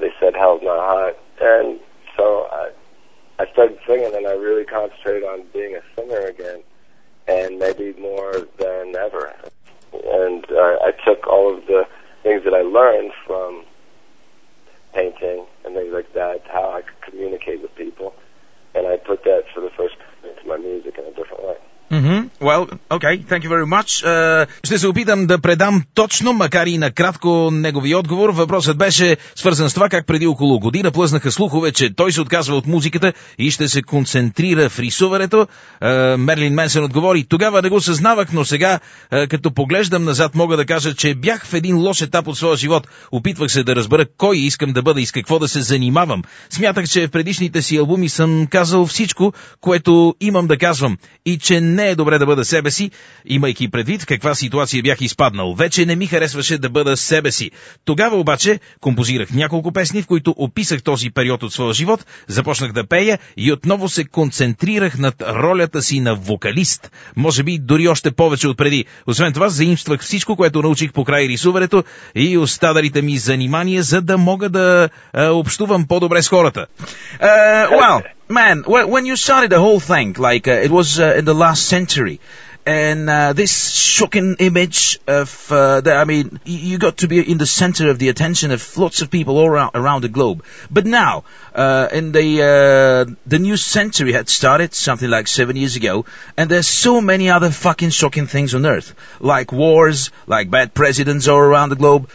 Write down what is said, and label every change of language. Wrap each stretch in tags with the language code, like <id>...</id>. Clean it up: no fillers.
<en>They said, "Hell's Not Hot." And so I started singing, and I really concentrated on being a singer again, and maybe more than ever. And I took all of the things that I learned from painting and things like that, how I could communicate with people, and I put that for the first time into my music in a different way. Mm-hmm. Well, okay, thank you very much.</en> <bg>Ще се опитам да предам точно, макар и накратко, негови отговор. Въпросът беше свързан с това как преди около година плъзнаха слухове, че той се отказва от музиката и ще се концентрира в рисуването. Мерлин Менсън отговори, тогава не го съзнавах, но сега, като поглеждам назад, мога да кажа, че бях в един лош етап от своя живот. Опитвах се да разбера кой искам да бъда и с какво да се занимавам. Смятах, че в предишните си албуми съм казал всичко, което имам да казвам, и че не е добре да бъда себе си, имайки предвид каква ситуация бях изпаднал. Вече не ми харесваше да бъда себе си. Тогава обаче композирах няколко песни, в които описах този период от своя живот, започнах да пея и отново се концентрирах над ролята си на вокалист. Може би дори още повече от преди. Освен това, заимствах всичко, което научих по край рисуването и останалите ми занимания, за да мога да общувам по-добре с хората.</bg> <en>Man, when you started the whole thing, like, it was in the last century, and this shocking image of, you got to be in the center of the attention of lots of people all around the globe. But now, in the new century had started something like 7 years ago, and there's so many other fucking shocking things on Earth, like wars, like bad presidents all around the globe.</en>